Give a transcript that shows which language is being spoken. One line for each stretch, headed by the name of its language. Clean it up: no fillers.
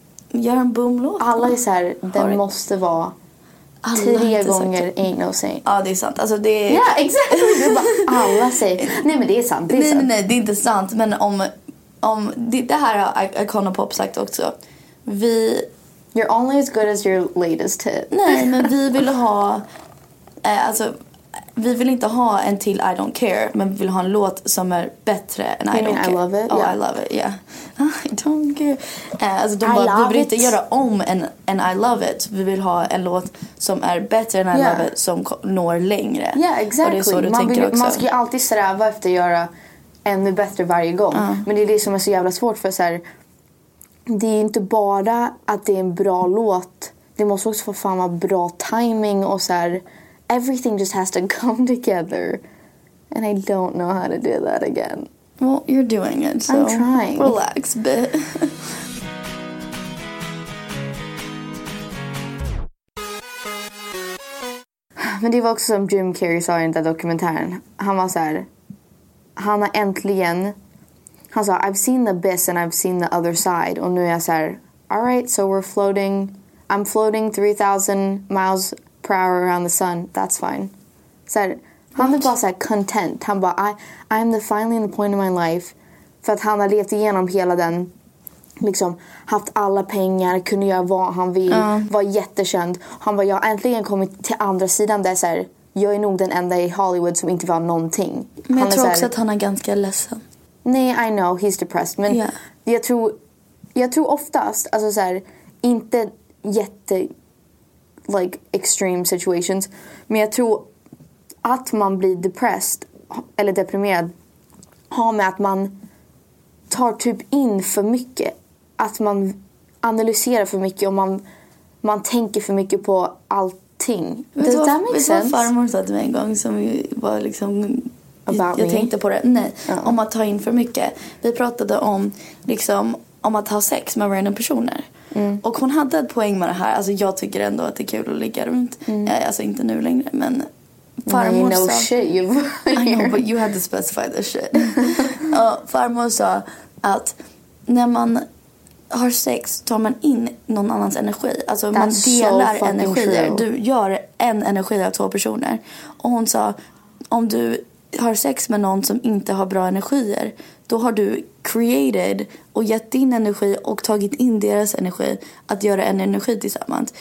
Swedish: Gör en boom-låt. Alla är så här, det måste vara... Tre gånger det.
English: Ain't no saying.
Swedish: Ja, det är sant. Alltså, det är...
English: Yeah, exactly!
Swedish: Bara, alla säger... Nej, men det är sant. Det är nej, det är inte sant. Men om det här har Icona Pop sagt också. Vi...
English: You're only as good as your latest hit.
Swedish: Nej, men vi vill ha... alltså... vi vill inte ha en till I don't care, men vi vill ha en låt som är bättre än I don't care.
English: I love it. Oh, yeah. I love it, yeah. I don't care.
Swedish: Alltså de bara, vi vill inte göra om en I love it. Vi vill ha en låt som är bättre än I love it, som når längre. Ja,
English: yeah, exactly.
Swedish: Och det är så du tänker också. Man ska ju alltid sträva efter att göra ännu bättre varje gång. Men det är det som är så jävla svårt, för så här, det är inte bara att det är en bra låt. Det måste också få fan vara bra timing och så här.
English: Everything just has to come together. And I don't know how to do that again. Well, you're doing it, so I'm trying. Relax a bit.
Swedish: Men det var också som Jim Carrey sa i den där dokumentären. Han var så här. Han har äntligen... Han sa,
English: I've seen the abyss and I've seen the other side.
Swedish: Och nu är jag så här,
English: all right, so we're floating. I'm floating 3,000 miles per hour around the sun. That's fine.
Swedish: Så här, han är bara så här, content. Han bara,
English: I'm the finally in the point of my life.
Swedish: För att han har levt igenom hela den. Liksom, haft alla pengar, kunde göra vad han vill. Var jättekänd. Han bara, jag har äntligen kommit till andra sidan där så här, jag är nog den enda i Hollywood som inte var någonting. Men jag tror också att han är ganska ledsen. Nej,
English: I know, he's depressed.
Swedish: Men jag tror oftast, alltså så här, inte jätte,
English: like, extreme situations.
Swedish: Men jag tror att man blir depressed, eller deprimerad, har med att man tar typ in för mycket. Att man analyserar för mycket och man tänker för mycket på allt. Det där
English: makes sense.
Swedish: Farmor sa till mig en gång som var liksom
English: about
Swedish: jag
English: me.
Swedish: Tänkte på det. Nej, om att ta in för mycket. Vi pratade om liksom om att ha sex med random personer. Mm. Och hon hade ett poäng med det här. Alltså jag tycker ändå att det är kul att ligga runt. Mm. Alltså inte nu längre, men farmor
English: no,
Swedish: sa
English: shit, I know, but you had to specify the shit.
Swedish: Och farmor sa att när man har sex, tar man in någon annans energi. Alltså man delar
English: so
Swedish: energier.
English: True.
Swedish: Du gör en energi av två personer. Och hon sa, om du har sex med någon som inte har bra energier, då har du created och gett din energi och tagit in deras energi att göra en energi tillsammans.